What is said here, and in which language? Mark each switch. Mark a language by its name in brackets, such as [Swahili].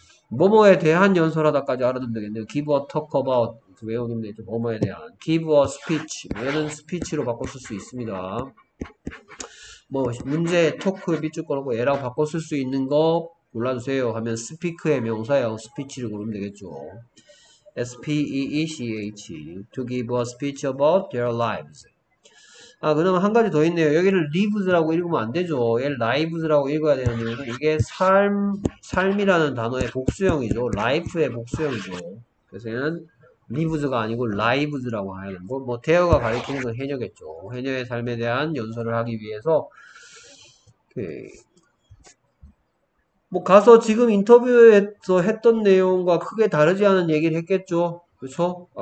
[Korean] 뭐뭐에 대한 연설하다까지 알아두면 되겠네요. [English] Give a talk about [Korean] 외우는 게 있죠. 뭐뭐에 대한. [English] Give a speech. [Korean] 얘는 스피치로 바꿔 쓸수 있습니다. 뭐 문제 토크 밑줄 걸고 얘랑 바꿔 쓸수 있는 거. 골라주세요 하면 스피크의 명사예요. 스피치를 고르면 되겠죠. [English] speech to give a speech about their lives. [Korean] 아, 그러면 한 가지 더 있네요. 여기를 lives라고 읽으면 안 되죠. 얘를 lives라고 읽어야 되는 이유는 이게 삶이라는 단어의 복수형이죠. life의 복수형이죠. 그래서 얘는 리브즈가 아니고 라이브즈라고 하는 거. 뭐 대어가 가리키는 건 해녀겠죠. 해녀의 삶에 대한 연설을 하기 위해서 뭐 가서 지금 인터뷰에서 했던 내용과 크게 다르지 않은 얘기를 했겠죠. 그렇죠?